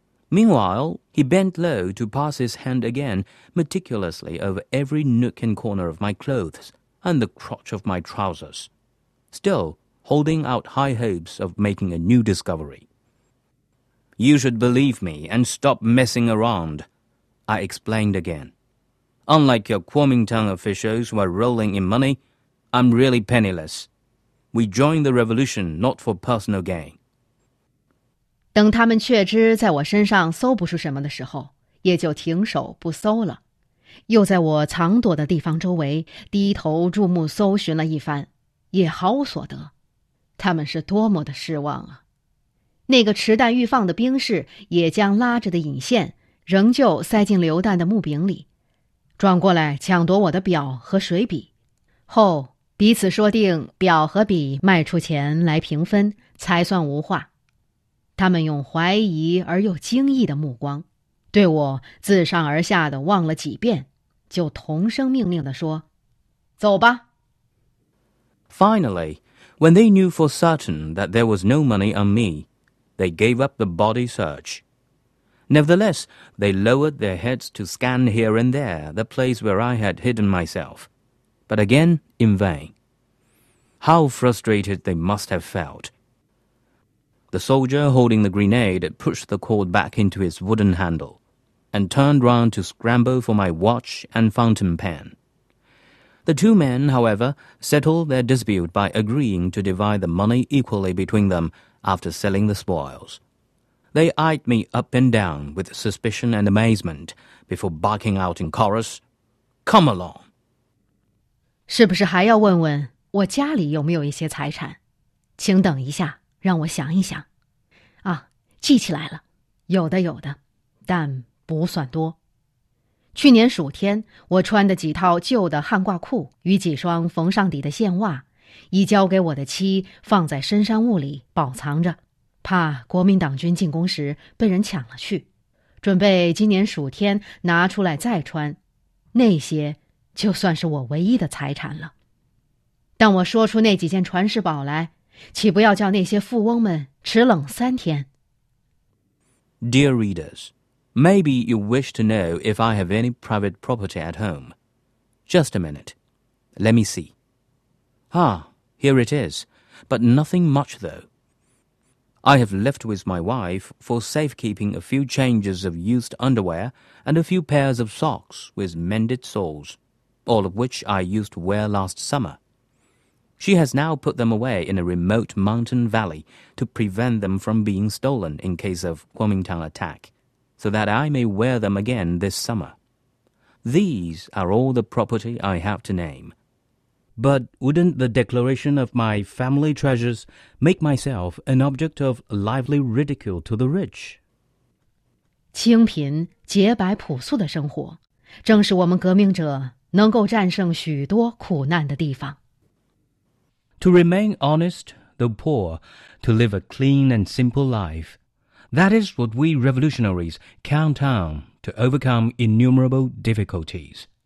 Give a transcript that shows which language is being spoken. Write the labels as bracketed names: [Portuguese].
[English] Meanwhile, he bent low to pass his hand again, meticulously over every nook and corner of my clothes and the crotch of my trousers, still holding out high hopes of making a new discovery. You should believe me and stop messing around, I explained again. Unlike your Kuomintang officials who are rolling in money, I'm really penniless. We join the revolution not for personal gain. [Chinese] 等他们确知在我身上搜不出什么的时候，也就停手不搜了，又在我藏躲的地方周围低头注目搜寻了一番，也毫无所得。他们是多么的失望啊！那个持弹欲放的兵士也将拉着的引线仍旧塞进榴弹的木柄里，转过来抢夺我的表和水笔，后彼此说定表和笔卖出钱来平分，才算无话。他们用怀疑而又惊异的目光对我自上而下的望了几遍，就同声命令地说，走吧。 [English] Finally, when they knew for certain that there was no money on me, they gave up the body search. Nevertheless, they lowered their heads to scan here and there the place where I had hidden myself, but again in vain. How frustrated they must have felt! The soldier holding the grenade pushed the cord back into its wooden handle and turned round to scramble for my watch and fountain pen. The two men, however, settled their dispute by agreeing to divide the money equally between them after selling the spoils. They eyed me up and down with suspicion and amazement before barking out in chorus, Come along! [Chinese] 是不是还要问问我家里有没有一些财产？请等一下。让我想一想，啊，记起来了，有的有的，但不算多。去年暑天，我穿的几套旧的汉褂裤与几双缝上底的线袜，已交给我的妻放在深山坞里保藏着，怕国民党军进攻时被人抢了去。准备今年暑天拿出来再穿，那些就算是我唯一的财产了。但我说出那几件传世宝来，岂不要叫那些富翁们吃冷三天？ [English] Dear readers, maybe you wish to know if I have any private property at home. Just a minute. Let me see. Ah, here it is, but nothing much though. I have left with my wife for safekeeping a few changes of used underwear and a few pairs of socks with mended soles, all of which I used to wear last summer. She has now put them away in a remote mountain valley to prevent them from being stolen in case of Kuomintang attack, so that I may wear them again this summer. These are all the property I have to name. But wouldn't the declaration of my family treasures make myself an object of lively ridicule to the rich? [Chinese] 清贫、洁白、朴素的生活，正是我们革命者能够战胜许多苦难的地方。 [English] To remain honest, though poor, to live a clean and simple life, that is what we revolutionaries count on to overcome innumerable difficulties.